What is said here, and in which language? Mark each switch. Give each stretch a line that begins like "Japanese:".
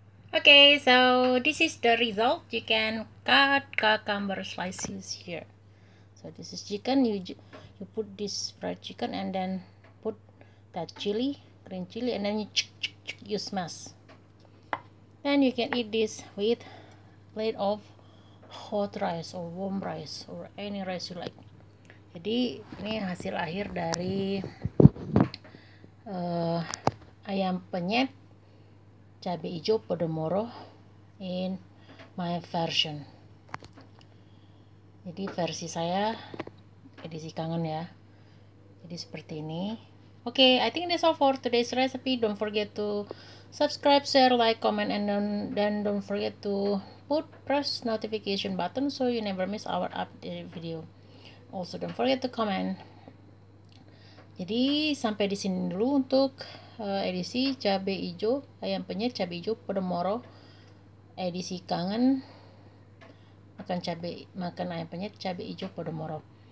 English: Okay, so this is the result. You can cut cucumber slices here. So this is chicken. You put this fried chicken and then put that chili, green chili, and then you chuk, you smash. Then you can eat this with plate of hot rice or warm rice or any rice you like.
Indonesian: Jadi ini hasil akhir dari ayam penyet cabai hijau Podomoro
English: in my version.
Indonesian: Jadi versi saya edisi kangen ya. Jadi seperti ini.
English: Oke, okay, I think that's all for today's recipe. Don't forget to subscribe, share, like, comment, and don't forget to press notification button so you never miss our update video. Also don't forget to comment.
Indonesian: Jadi sampai di sini dulu untuk edisi cabai hijau ayam penyet cabai hijau Podomoro edisi kangen makan ayam penyet cabai hijau Podomoro.